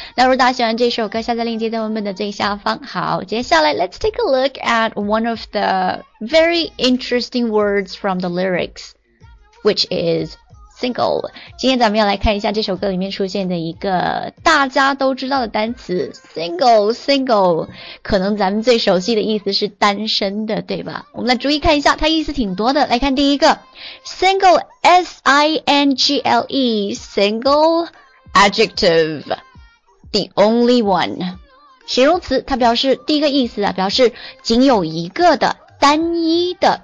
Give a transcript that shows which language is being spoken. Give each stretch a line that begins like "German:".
Chinese: 那如果大家喜欢这首歌，下载链接在文本的最下方。好，接下来
English: Let's take a look at one of the very interesting words from the lyrics, which is single.
Chinese: 今天咱们要来看一下这首歌里面出现的一个大家都知道的单词 single. 可能咱们最熟悉的意思是单身的，对吧？我们来注意看一下，它意思挺多的。来看第一个
English: single, single, single adjective, the only one,
Chinese: 形容词，它表示第一个意思啊，表示仅有一个的，单一的。